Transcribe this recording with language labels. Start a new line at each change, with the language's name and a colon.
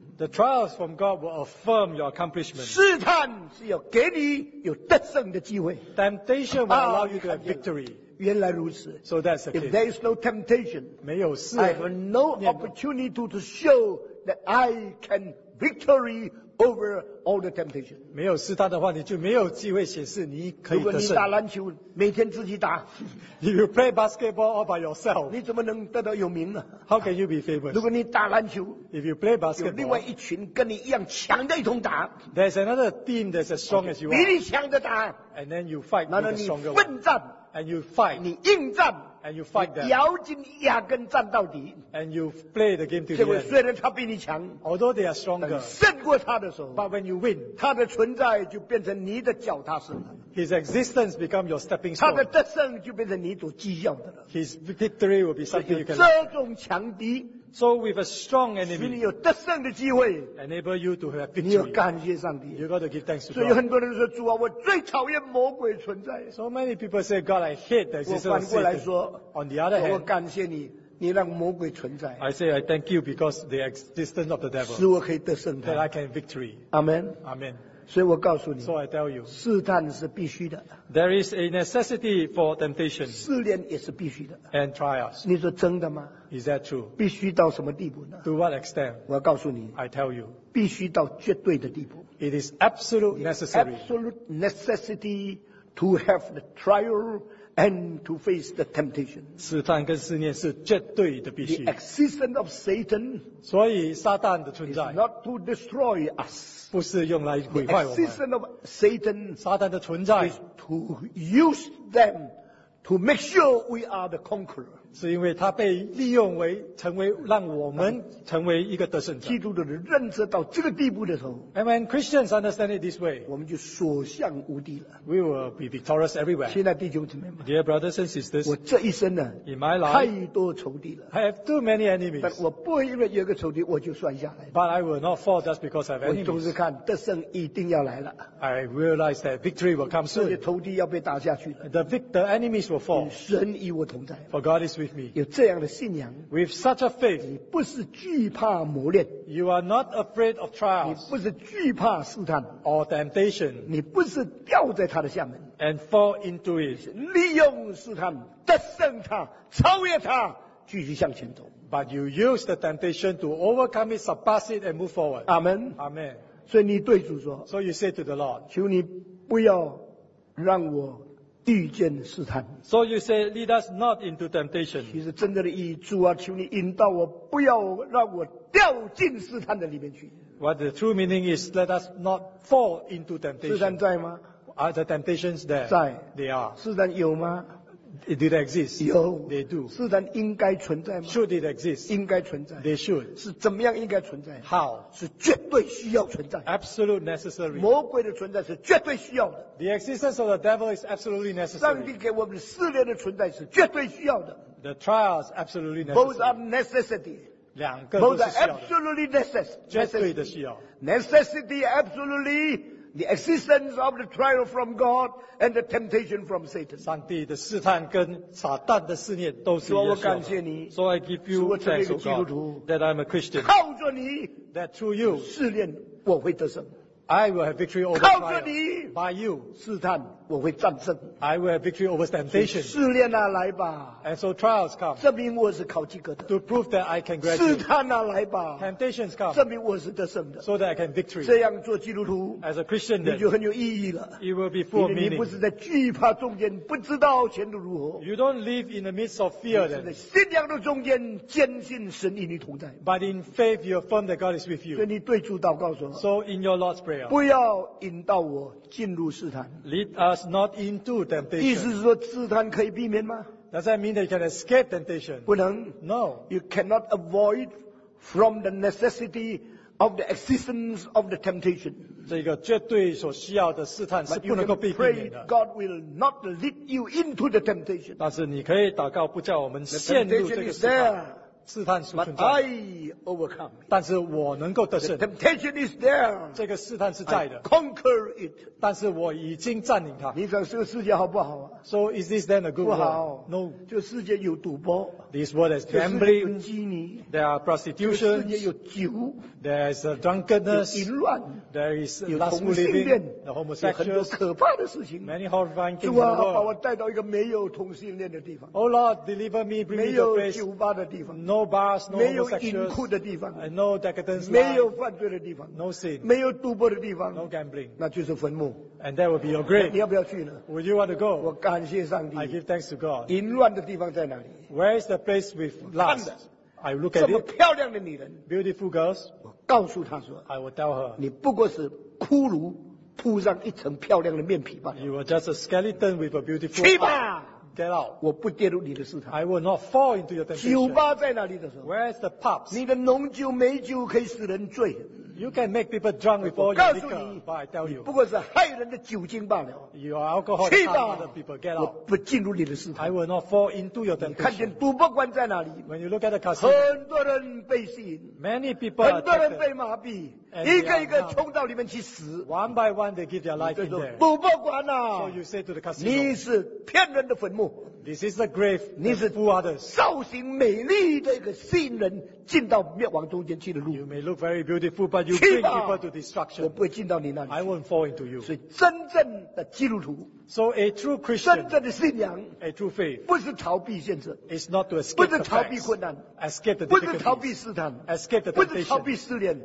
English: The trials from God will affirm your accomplishment.
Chinese: 试探是要给你有得胜的机会。
English: Temptation will allow you to have victory.
Chinese: 原来如此,
English: so that's the case. If there is no temptation,
Chinese: 没有试,
English: I have no opportunity to show that I can victory over all the temptation.
Chinese: 没有试探的话, 你就没有机会显示你可以得胜。如果你打篮球, 每天自己打,
English: you play basketball all by yourself.
Chinese: 你怎么能得到有名呢?
English: How can you be famous?
Chinese: 如果你打篮球,
English: if you play basketball,
Chinese: 有另外一群跟你一样强的一同打,
English: there's another team that's as strong as you are.
Chinese: 比你强的打,
English: and then you fight with the stronger one. And you fight.
Chinese: 你应战,
English: and you fight them.
Chinese: 咬紧牙根战到底,
English: and you play the game to the end.
Chinese: 虽然他比你强,
English: although they are stronger,
Chinese: 胜过他的时候,
English: but when you win,
Chinese: 他的存在就变成你的脚踏实地,
English: his existence becomes your stepping stone.
Chinese: 他的得胜就变成你所需要的了,
English: his victory will be something you can.
Chinese: 这种强敌,
English: so with a strong enemy,
Chinese: 使你有得胜的机会,
English: enable you to have victory.
Chinese: 你要感谢上帝,
English: you got to give thanks to God.
Chinese: 所以很多人说, 主啊, 我最讨厌魔鬼存在,
English: so many people say, God, I hate the existence of Satan.
Chinese: 我反过来说,
English: on the other hand,
Chinese: 我感谢你, 你让魔鬼存在,
English: I say I thank you because the existence of the devil,
Chinese: 使我可以得胜他,
English: that I can have victory. Amen. Amen.
Chinese: 所以我告诉你,
English: so I tell you,
Chinese: 试探是必须的,
English: there is a necessity for temptation.
Chinese: 试炼也是必须的,
English: and trials.
Chinese: 你说真的吗?
English: Is that true?
Chinese: 必须到什么地步呢?
English: To what extent?
Chinese: 我告诉你,
English: I tell you,
Chinese: 必须到绝对的地步,
English: it is absolute necessary. Absolute necessity to have the trial and to face the temptation.
Chinese: 试探跟试炼是绝对的必须。
English: The existence of Satan,
Chinese: 所以撒旦的存在,
English: is not to destroy us.
Chinese: 不是用来毁坏我们。
English: The existence of Satan,
Chinese: 撒旦的存在,
English: is to use them to make sure we are the conqueror.
Chinese: 是因为他被利用为成为让我们成为一个得胜者。基督徒认识到这个地步的时候,
English: and when Christians understand it this way,
Chinese: 我们就所向无敌了,
English: we will be victorious everywhere.
Chinese: 亲爱的弟兄姊妹们,
English: dear brothers and sisters,
Chinese: 我这一生呢,
English: in my life,
Chinese: 太多仇敌了,
English: I have too many enemies.
Chinese: But 我不会因为有一个仇敌, 我就算下来了,
English: but I will not fall just because I have enemies.
Chinese: 我总是看得胜一定要来了,
English: I realize that victory will come soon.
Chinese: 这些仇敌要被打下去了,
English: the enemies will fall.
Chinese: 神与我同在,
English: for God is with me.
Chinese: 有这样的信仰,
English: with such a faith,
Chinese: 你不是惧怕磨练,
English: you are not afraid of trials,
Chinese: 你不是惧怕试探,
English: or temptation,
Chinese: 你不是掉在他的下面,
English: and fall into it,
Chinese: 利用试探, 得胜他, 超越他, 继续向前走,
English: but you use the temptation to overcome it, surpass it, and move forward. Amen. Amen.
Chinese: 所以你对主说,
English: so you say to the Lord,
Chinese: 求你不要让我 遇见试探,
English: so you say, lead us not into temptation.
Chinese: 其实真正的意义主啊, 求你引导我, 不要让我掉进试探的里面去。
English: What the true meaning is, let us not fall into temptation.
Chinese: 试探在吗?
English: Are the temptations there?
Chinese: 在,
English: they are.
Chinese: 试探有吗?
English: Do they exist?
Chinese: 有,
English: they do.
Chinese: 试探应该存在吗?
English: Should it exist?
Chinese: 应该存在,
English: they should.
Chinese: 是怎么样应该存在?
English: How?
Chinese: 是绝对需要存在,
English: absolute necessary.
Chinese: 魔鬼的存在是绝对需要的,
English: the existence of the devil is absolutely necessary.
Chinese: 上帝给我们试炼的存在是绝对需要的,
English: the trials absolutely necessary. Both are necessity.
Chinese: 两个都是需要的,
English: both are absolutely necessary.
Chinese: 绝对的需要,
English: necessity absolutely. The existence of the trial from God and the temptation from Satan.
Chinese: 上帝的试探跟撒旦的试炼都是耶稣的。
English: So I give you thanks, O God, that I'm a Christian.
Chinese: 靠着你,
English: that through you,
Chinese: 试炼我会得胜,
English: I will have victory over trial.
Chinese: 靠着你,
English: by you,
Chinese: 试探我会战胜,
English: I will have victory over temptation.
Chinese: 试炼啊来吧,
English: and so trials come,
Chinese: 证明我是考及格的,
English: to prove that I can graduate.
Chinese: 试探啊来吧,
English: temptations come,
Chinese: 证明我是得胜的,
English: so that I can victory.
Chinese: 这样做基督徒,
English: as a Christian,
Chinese: 你就很有意义了,
English: it will be full of meaning.
Chinese: 你不是在惧怕中间, 不知道前途如何,
English: you don't live in the midst of fear then.
Chinese: 你是在信仰的中间, 坚信神与你同在,
English: but in faith you affirm that God is with you.
Chinese: 所以你对主祷告说,
English: so in your Lord's Prayer,
Chinese: 不要引导我进入试探,
English: lead us us not into temptation.
Chinese: 意思是说试探可以避免吗？
English: Does that mean that you can escape temptation?
Chinese: 不能。
English: No. You cannot avoid from the necessity of the existence of the temptation.
Chinese: 这个绝对所需要的试探是不能够避免的。
English: But you can pray God will not lead you into the temptation.
Chinese: 但是你可以祷告不叫我们陷入这个试探。试探是存在的，但是我能够得胜。
English: The temptation is there,
Chinese: 这个试探是在的。
English: I conquer it,
Chinese: 但是我已经占领它。你讲这个世界好不好啊？
English: So is this then a good world?
Chinese: 不好。
English: No.
Chinese: 这个世界有赌博。
English: This world is gambling.
Chinese: 这个世界有妓女。
English: There are prostitutions.
Chinese: 这个世界有酒。
English: There is a drunkenness.
Chinese: 有淫乱。
English: There is lustful living.
Chinese: 有同性恋。有很多可怕的事情。
English: Many horrifying things in the world.
Chinese: 主啊，把我带到一个没有同性恋的地方。
English: Oh Lord, deliver me, bring me to a place.
Chinese: 没有酒吧的地方。
English: No bars, no
Chinese: 没有淫酷的地方
English: no decadence
Chinese: line, 没有犯罪的地方
English: no sin,
Chinese: 没有赌博的地方
English: no gambling,
Chinese: 那就是坟墓
English: and that will be your grave.
Chinese: 你要不要去呢？
English: Would you want to go?
Chinese: 我感谢上帝
English: I give thanks to God.
Chinese: 淫乱的地方在哪里？
English: Where is the place with lust? I look at it.
Chinese: 这么漂亮的女人
English: beautiful girls,
Chinese: 我告诉她说
English: I will tell her,
Chinese: 你不过是骷髅铺上一层漂亮的面皮罢了
English: You are just a skeleton with a beautiful
Chinese: 去吧
English: Get out.
Chinese: 我不跌入你的试探。
English: I will not fall into your temptation.
Chinese: 酒吧在哪里的时候
English: ？Where's the pubs?
Chinese: 你的浓酒、美酒可以使人醉。
English: You can make people drunk with all your liquor.
Chinese: 我告诉你，
English: but I tell you,
Chinese: 你不过是害人的酒精罢了。
English: You are alcohol.
Chinese: 去吧。
English: People, get out.
Chinese: 我不进入你的试探。
English: I will not fall into your temptation.
Chinese: 看见赌博馆在哪里
English: ？When you look at the casino,
Chinese: 很多人被吸引。
English: Many people are
Chinese: attracted. 很多人被麻痹。一个一个冲到里面去死。
English: One by one, they give their life in there.
Chinese: 赌博馆啊
English: ！So you say to the casino.
Chinese: 你是骗人的坟墓。
English: This is the grave.
Chinese: 你是
English: fool others.
Chinese: 造型美丽的一个吸引人进到灭亡中间去的路。
English: You may look very beautiful, but you bring people to destruction.
Chinese: 我不会进到你那里去。
English: I won't fall into you.
Chinese: 所以真正的基督徒。
English: So a true Christian,
Chinese: 真正的信仰
English: a true faith,
Chinese: 不是逃避现实
English: is not to escape
Chinese: 不是逃避困难
English: escape the difficulties,
Chinese: 不是逃避试探
English: escape the temptation,
Chinese: 不是逃避试炼